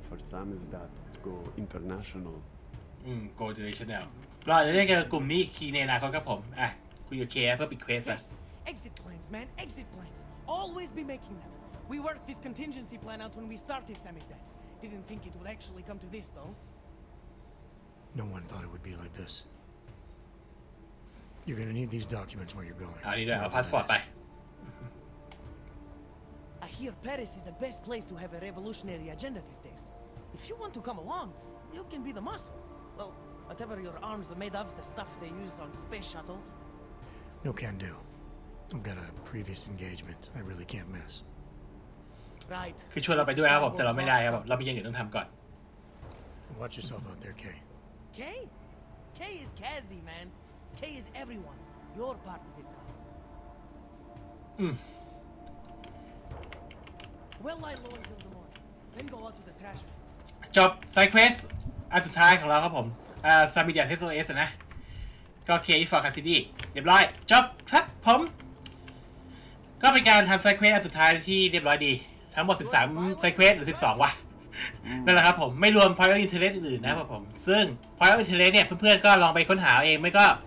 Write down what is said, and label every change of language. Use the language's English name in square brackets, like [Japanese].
[English] Sam is that to go international. Go to the channel. [Thai] เราจะได้เจอกลุ่มนี้คีเนนะครับผมอ่ะคุยโอเคเพื่อปิดเควสอ่ะ [English] Exit plans, man. Exit plans. Always be making them. We worked this contingency plan out when we started Sam is that. Didn't think it would actually come to this though. No one thought it would be like this. You're gonna need these documents where you're going. I need a passport. Bye. I hear Paris is the best place to have a revolutionary agenda these days. If you want to come along, you can be the muscle. Well, whatever your arms are made of, the stuff they use on space shuttles. No can do. I've got a previous engagement. I really can't miss. Right. [Thai] คือชวนเราไปด้วยครับผมแต่เราไม่ได้ครับเรามีอย่างอื่นต้องทำก่อน [English] Watch yourself out there, Kay. Kay? Kay is Kazdy, man. Kay is everyone. You're part of it. Well, I lower till the morning. Then go out to the trash man. [Thai] จบไซเควสอันสุดท้ายของเราครับผมซามิเดียเทสโซเอสนะก็เคียร์อีฟอร์คาซิตี้เรียบร้อยจบครับผมก็เป็นการทำไซเควสอันสุดท้ายที่เรียบร้อยดีทั้งหมด13ไซเควสหรือ12วะ นั่นแหละครับผมไม่รวม Point of Interest อื่นนะครับผมซึ่ง Point of Interest เนี่ยเพื่อนๆก็ลองไปค้นหาเองไม่ก็